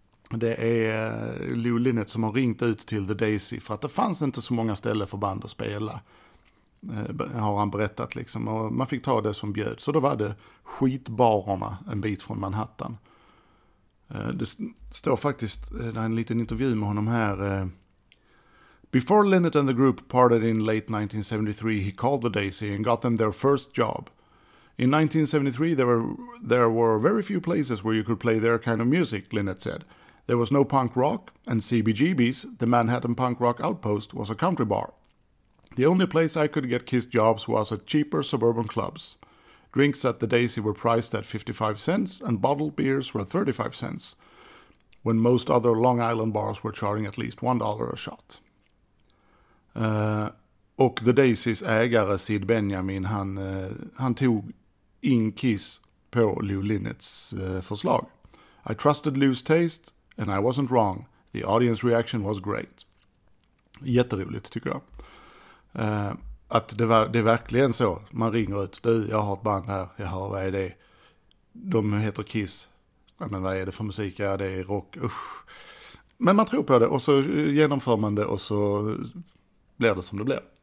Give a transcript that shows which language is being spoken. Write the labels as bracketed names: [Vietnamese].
[Swedish] Det är Lou Linnett som har ringt ut till The Daisy, för att det fanns inte så många ställen för band att spela. Har han berättat liksom, och man fick ta det som bjöd, så då var det skitbarerna en bit från Manhattan. Det står faktiskt, det är en liten intervju med honom här. [English] Before Linnett and the group parted in late 1973, he called the Daisy and got them their first job. In 1973 there were very few places where you could play their kind of music, Linnett said. There was no punk rock, and CBGB's, the Manhattan punk rock outpost, was a country bar. The only place I could get Kiss jobs was at cheaper suburban clubs. Drinks at the Daisy were priced at 55 cents and bottled beers were 35 cents, when most other Long Island bars were charging at least $1 a shot. [Swedish] Och The Daisys ägare Sid Benjamin, han tog in Kiss på Lou Linnetts förslag. [English] I trusted Lou's taste and I wasn't wrong. The audience reaction was great. [Swedish] Jätteroligt tycker jag. Att det är verkligen så. Man ringer ut, du, jag har ett band här. Jaha, vad är det? De heter Kiss. Men vad är det för musik? Ja, det är rock. Usch. Men man tror på det och så genomför man det. Och så blir det som det blir.